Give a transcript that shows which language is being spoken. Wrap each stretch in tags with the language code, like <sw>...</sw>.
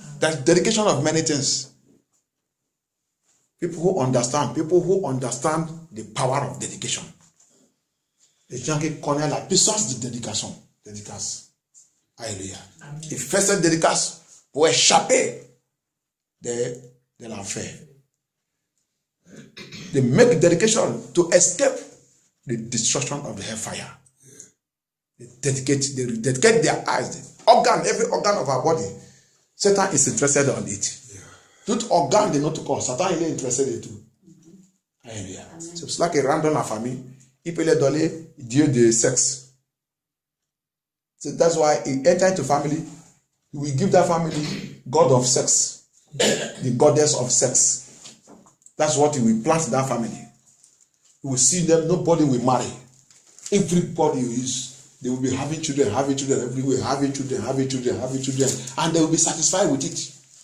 <en>The dedication of many things. People who understand the power of dedication.</en> <fr>Les gens qui connaissent la puissance de dédication. Dédicace. Alléluia. Il fait cette dédicace pour échapper de l'enfer.</fr> <en>They make dedication to escape the destruction of the hellfire. They dedicate their eyes, the organ, every organ of our body. Satan is interested on it.</en> <fr>Tout organe de notre corps, Satan il est intéressé de tout. Alléluia. C'est pour cela qu'il rentre dans la famille, il peut leur donner Dieu de sexe.</fr> <en>So that's why he enter into family, we give that family God of sex, the goddess of sex. That's what we plant in that family. You will see them, nobody will marry. Everybody is, they will be having children everywhere, having children, and they will be satisfied with it.</en>